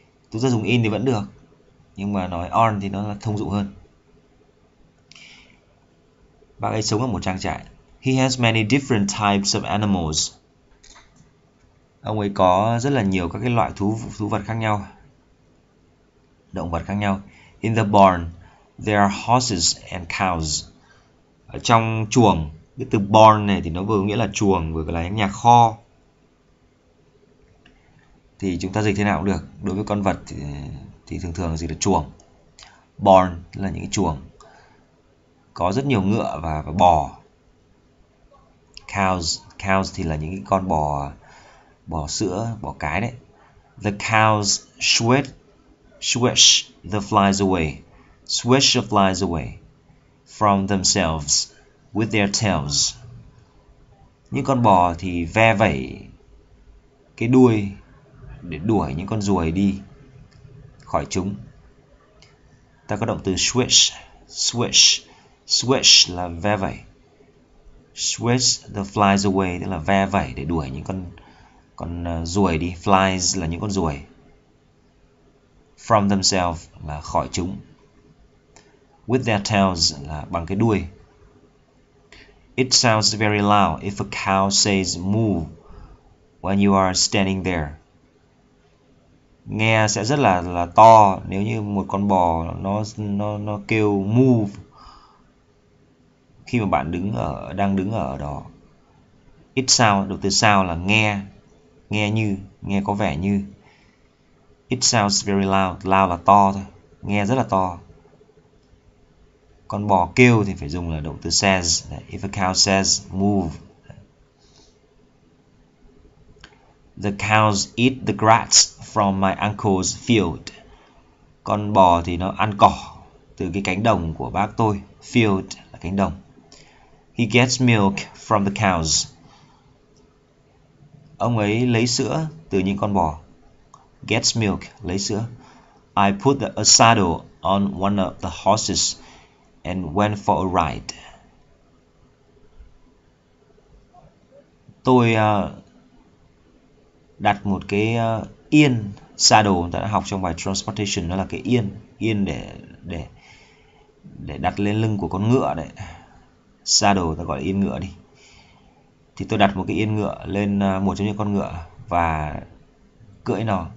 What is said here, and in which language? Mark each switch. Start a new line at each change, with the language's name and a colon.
Vietnamese: Tôi sẽ dùng in thì vẫn được, nhưng mà nói on thì nó thông dụng hơn. Bác ấy sống ở một trang trại.
English: He has many different types of animals.
Vietnamese: Ông ấy có rất là nhiều các cái loại thú vật khác nhau, động vật khác nhau.
English: In the barn, there are horses and cows.
Vietnamese: Ở trong chuồng, cái từ barn này thì nó vừa nghĩa là chuồng, vừa là nhà kho. Thì chúng ta dịch thế nào cũng được. Đối với con vật thì thường thường dịch là chuồng. Barn là những cái chuồng. Có rất nhiều ngựa và bò. Cows thì là những cái con bò sữa, bò cái đấy.
English: The cows swish the flies away. Swish the flies away from themselves with their tails.
Vietnamese: Những con bò thì ve vẩy cái đuôi để đuổi những con ruồi đi khỏi chúng. Ta có động từ swish là ve vẩy.
English: Swish the flies away
Vietnamese: tức là ve vẩy để đuổi những con ruồi đi. Flies là những con ruồi.
English: From themselves
Vietnamese: là khỏi chúng.
English: With their tails
Vietnamese: là bằng cái đuôi.
English: It sounds very loud if a cow says moo when you are standing there.
Vietnamese: Nghe sẽ rất là to nếu như một con bò nó kêu moo khi mà bạn đang đứng ở đó.
English: It sounds,
Vietnamese: đầu từ sound là nghe có vẻ như.
English: It sounds very loud,
Vietnamese: loud là to thôi, nghe rất là to. Con bò kêu thì phải dùng là động từ says.
English: If a cow says, move. The cows eat the grass from my uncle's field.
Vietnamese: Con bò thì nó ăn cỏ từ cái cánh đồng của bác tôi.
English: Field
Vietnamese: là cánh đồng.
English: He gets milk from the cows.
Vietnamese: Ông ấy lấy sữa từ những con bò.
English: Gets milk,
Vietnamese: lấy sữa.
English: I put a saddle on one of the horses and went for a ride.
Vietnamese: Tôi đặt một cái yên, saddle, ta đã học trong bài transportation, nó là cái yên để đặt lên lưng của con ngựa đấy. Saddle ta gọi là yên ngựa đi. Thì tôi đặt một cái yên ngựa lên một trong những con ngựa và cưỡi nó.